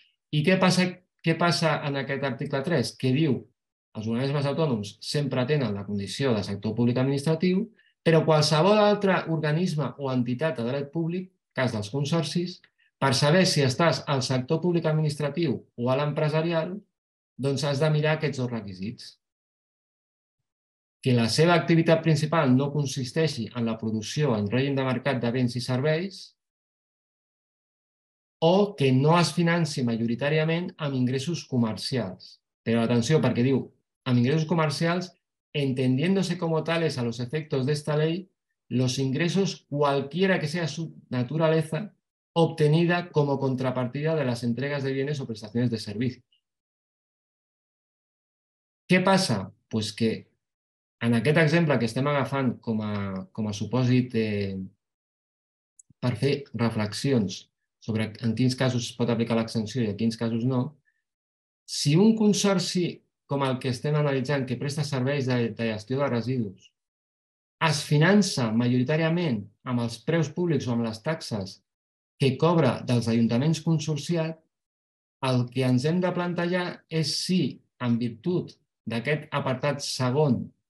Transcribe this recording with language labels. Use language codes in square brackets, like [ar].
[ca] I què passa en aquest article 3? Que diu els organismes autònoms sempre tenen la condició de sector públic administratiu, però qualsevol altre organisme o entitat de dret públic, cas dels consorcis, per saber si estàs al sector públic administratiu o a l'empresarial, doncs has de mirar aquests dos requisits. Que la seva activitat principal no consisteixi en la producció en règim de mercat de béns i serveis o que no es financi majoritàriament amb ingressos comercials. Però atenció, perquè diu, amb ingressos comercials, [es] entendiéndose como tales a los efectos de esta ley, los ingresos, cualquiera que sea su naturaleza, obtenida como contrapartida de las entregas de bienes o prestaciones de servicios. [ca] Què passa? Pues que en aquest exemple que estem agafant com a supòsit per fer reflexions sobre en quins casos es pot aplicar l'exempció i en quins casos no, si un consorci com el que estem analitzant, que presta serveis de gestió de residus, es finança majoritàriament amb els preus públics o amb les taxes que cobra dels ajuntaments consorciats, el que ens hem de plantejar és si, en virtut d'aquest apartat segon